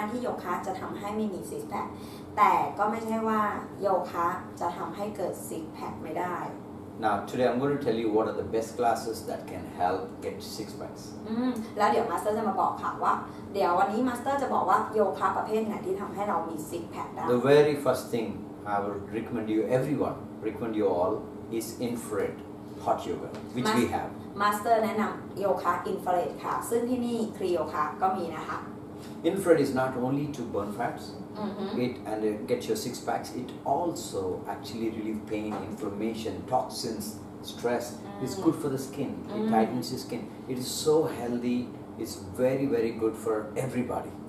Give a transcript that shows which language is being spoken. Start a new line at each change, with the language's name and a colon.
Thai: ก็คือเขาต้องการที่จะแบบว่าให้เกิดความตระหนักรู้ส่วนใหญ่ทำเพื่อพัฒนาตัวเองให้ดีขึ้นทางด้านจิตวิญญาณนะคะเพราะฉะนั้นมันก็เป็นไปได้ที่โยคะจะทำให้ไม่มี six pack แต่ก็ไม่ใช่ว่าโยคะจะทำให้เกิด six pack ไม่ได้
English: Now, today I'm going to tell you what are the best classes that can help get six packs.
Thai: แล้วเดี๋ยวมาสเตอร์จะมาบอกค่ะว่าเดี๋ยววันนี้มาสเตอร์จะบอกว่าโยคะประเภทไหนที่ทำให้เรามีซิกแพคได้
English: The very first thing I will recommend you, everyone, recommend you all, is infrared hot yoga, which we have.
Thai: มาสเตอร์แนะนำโยคะอินฟราเรดค่ะซึ่งที่นี่ครีโยคะก็มีนะคะ
English: Infrared is not only to burn fats, and get your six packs, it also actually relieve pain, inflammation, toxins, stress. It's good for the skin. It tightens your skin. It is so healthy. It's very, very good for everybody.